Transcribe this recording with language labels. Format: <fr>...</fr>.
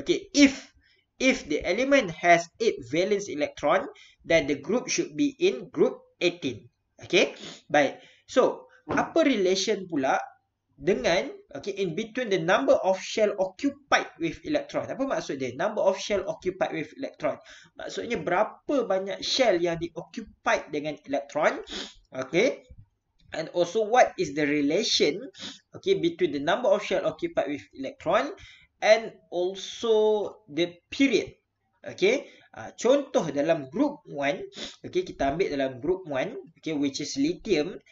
<en>Okay, if the element has 8 valence electron, then the group should be in group 18. Okay,</en> <ms>baik.</ms> <en>So,</en> <ms>apa relation pula dengan,</ms> <en>okay, in between the number of shell occupied with electron.</en> <ms>Apa maksud dia?</ms> <en>Number of shell occupied with electron.</en> <ms>Maksudnya, berapa banyak shell yang di-occupied dengan electron. Okay.</ms> <en>And also, what is the relation, okay, between the number of shell occupied with electron and also the period.</en> <ms>Okay. Contoh dalam group 1, okay, kita ambil dalam group 1, okay,</ms> <en>which is lithium.</en>